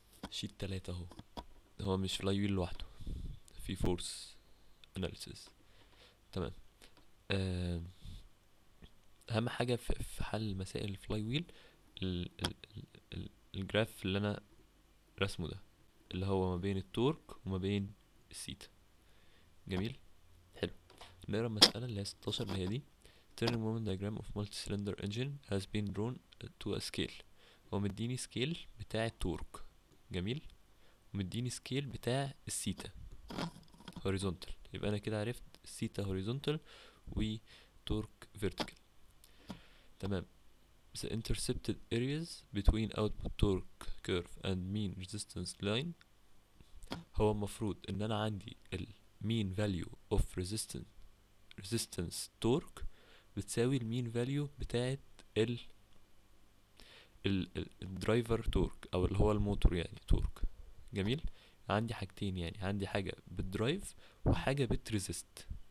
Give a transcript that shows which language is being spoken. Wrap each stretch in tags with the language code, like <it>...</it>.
<ar>شيت 3 اهو، هو مش فلاي ويل لوحده، في فورس اناليسيس. تمام. اهم حاجة في حل مسائل الفلاي ويل الجراف اللي انا رسمه ده، اللي هو ما بين التورك وما بين السيتا. جميل، حلو. نقرا المسألة اللي هي 16، اللي هي دي:</ar> <en>turning moment diagram of multi cylinder engine has been drawn to a scale.</en> <ar>هو مديني سكيل بتاع التورك، جميل، ومديني سكيل بتاع السيتا horizontal. يبقى انا كده عرفت السيتا horizontal و تورك vertical. تمام.</ar> <en>The intercepted areas between output torque curve and mean resistance line.</en> <ar>هو المفروض ان انا عندي ال</ar> <en>mean value of resistance torque</en> <ar>بتساوي ال mean value بتاعت ال driver torque، او اللي هو الموتور يعني torque. جميل، عندي حاجتين، يعني عندي حاجة بتدرايف وحاجة بتريزيست.</ar>